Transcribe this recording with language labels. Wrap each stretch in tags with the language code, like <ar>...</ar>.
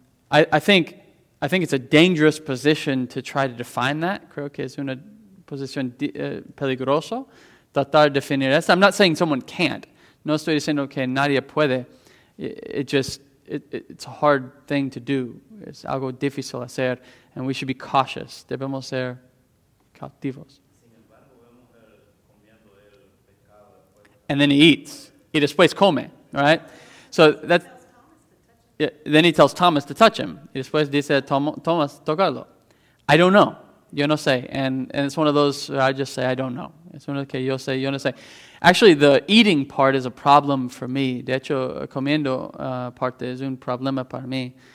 <en>I think it's a dangerous position to try to define that.</en> <es>Creo que es una posición peligrosa tratar de definir esto.</es> <en>I'm not saying someone can't.</en> <es>No estoy diciendo que nadie puede.</es> <en>It's a hard thing to do.</en> <es>Es algo difícil hacer,</es> <en>and we should be cautious.</en> <es>Debemos ser cautivos.</es> <en>And then he eats.</en> <es>Y después come,</es> <en>right? So that's... Then he tells Thomas to touch him.</en> <es>Y después dice, Thomas, tocarlo.</es> <en>I don't know.</en> <es>Yo no sé.</es> <en>And it's one of those, I just say, I don't know.</en> <es>Es uno que yo sé, yo no sé.</es> <en>Actually, the eating part is a problem for me.</en> <es>De hecho, comiendo parte es un problema para mí.</es>